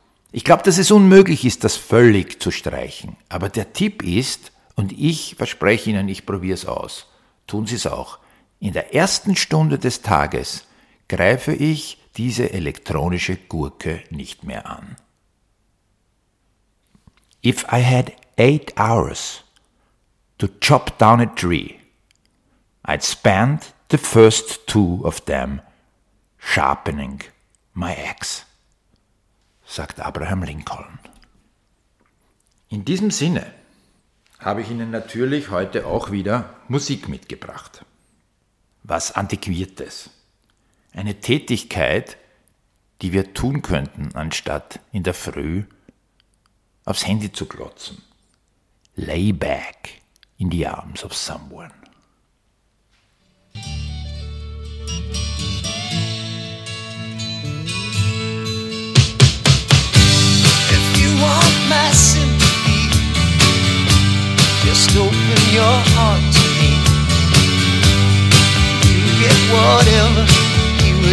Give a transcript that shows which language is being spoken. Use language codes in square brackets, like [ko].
[de] Ich glaube, dass es unmöglich ist, das völlig zu streichen. Aber der Tipp ist, und ich verspreche Ihnen, ich probiere es aus, tun Sie es auch. In der ersten Stunde des Tages greife ich diese elektronische Gurke nicht mehr an. [en] If I had 8 hours to chop down a tree, I'd spend the first 2 of them sharpening my axe, [de] sagt Abraham Lincoln. In diesem Sinne habe ich Ihnen natürlich heute auch wieder Musik mitgebracht. Was Antiquiertes. Eine Tätigkeit, die wir tun könnten, anstatt in der Früh aufs Handy zu glotzen. [en] Lay back in the arms of someone. If you want my sympathy, just open your heart to me. You get whatever you would.